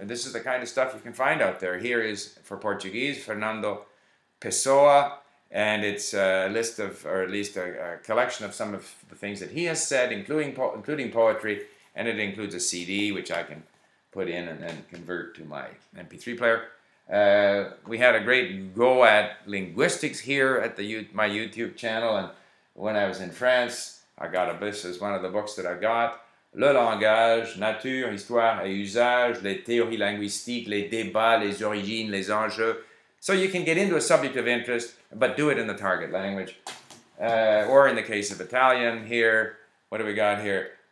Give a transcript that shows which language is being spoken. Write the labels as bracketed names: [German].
[English] This is the kind of stuff you can find out there. Here is, for Portuguese, Fernando Pessoa, and it's a list of, or at least a collection of some of the things that he has said, including poetry, and it includes a CD, which I can put in and then convert to my MP3 player. We had a great go at linguistics here at my YouTube channel, and when I was in France, I got this as one of the books that I got. [French] Le langage, nature, histoire et usage, les théories linguistiques, les débats, les origines, les enjeux. [English] So you can get into a subject of interest, but do it in the target language. Or in the case of Italian here, what do we got here?